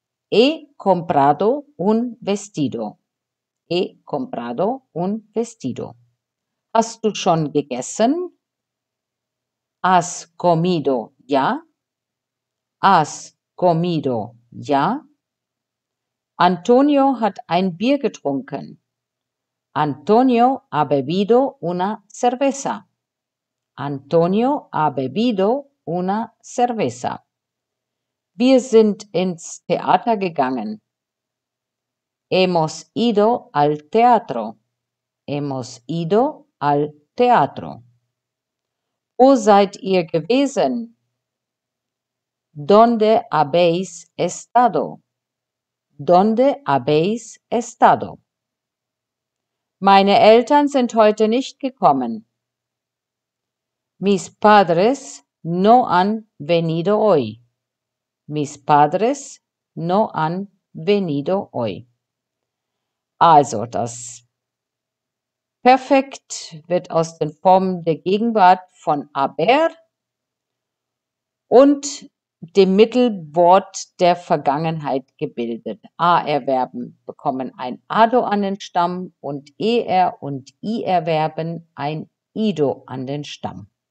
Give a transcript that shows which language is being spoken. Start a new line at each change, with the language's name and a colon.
Spanish: He comprado un vestido. He comprado un vestido.
German: Hast du schon gegessen?
Spanish: Has comido ya? Has comido ya?
German: Antonio hat ein Bier getrunken.
Spanish: Antonio ha bebido una cerveza. Antonio ha bebido una cerveza.
German: Wir sind ins Theater gegangen.
Spanish: Hemos ido al teatro. Hemos ido al teatro.
German: Wo seid ihr gewesen?
Spanish: Donde habéis estado? Donde habéis estado?
German: Meine Eltern sind heute nicht gekommen.
Spanish: Mis padres no han venido hoy. Mis padres no han venido hoy.
German: Also das Perfekt wird aus den Formen der Gegenwart von haber und dem Mittelwort der Vergangenheit gebildet. AR-Verben bekommen ein Ado an den Stamm und ER und IR-Verben ein Ido an den Stamm.